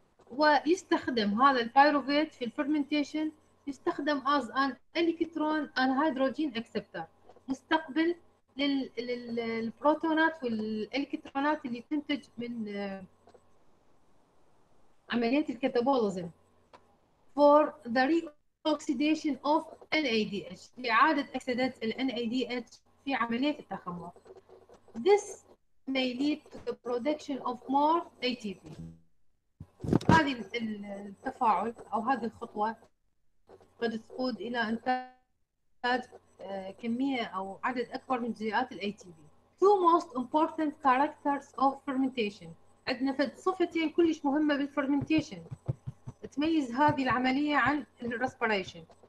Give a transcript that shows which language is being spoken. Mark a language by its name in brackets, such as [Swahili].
[Arabic] ويستخدم هذا البايروفيت في الفرمنتيشن، يستخدم [English] as an electron and hydrogen acceptor, [Arabic] مستقبل للبروتونات والالكترونات اللي تنتج من عملية الكتابوليزم [English] for the reoxidation of NADH، [Arabic] لإعادة أكسدة ال NADH في عملية التخمر. [English] This may lead to the production of more ATP. [Arabic] هذه التفاعل أو هذه الخطوة قد تقود إلى إنتاج كمية أو عدد أكبر من جزيئات ال ATP. [English] Two most important characters of fermentation. [Arabic] عندنا فد صفتين كلش مهمة بالفرمنتيشن تميز هذه العملية عن الريسبيريشن.